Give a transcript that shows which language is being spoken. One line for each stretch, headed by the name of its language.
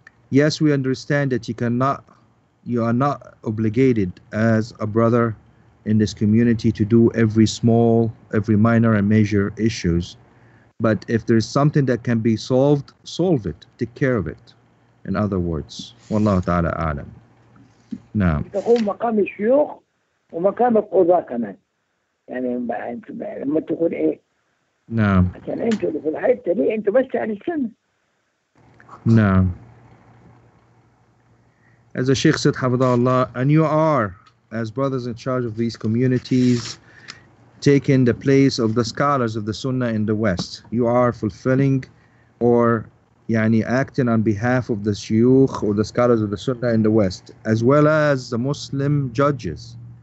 English: Yes, we understand that you are not obligated as a brother in this community to do every small, every minor and major issues. But if there's something that can be solved, solve it. Take care of it. In other words,
Arabic: والله تعالى أعلم. نعم. تقوم مقام الشيوخ ومقام القضاء كمان. يعني لما تقول إيه؟ نعم. عشان أنتوا اللي في الحياة دي أنتوا بس على السنة. نعم.
English: As the Sheikh said,
Arabic: حفظه الله,
English: and you are, as brothers in charge of these communities, taking the place of the scholars of the Sunnah in the West. You are fulfilling or yani acting on behalf of the Shuyukh or the scholars of the Sunnah in the West, as well as the Muslim judges.